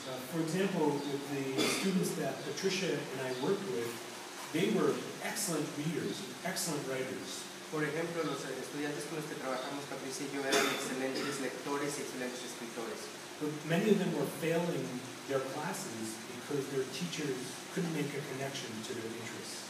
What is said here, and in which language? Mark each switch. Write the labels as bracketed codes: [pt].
[en] For example, with the students that Patricia and I worked with, they were excellent readers, excellent writers. [es] Por ejemplo, los estudiantes con los que trabajamos, Patricia y yo, eran excelentes lectores y excelentes escritores. [en] But many of them were failing their classes because their teachers couldn't make a connection to their interests.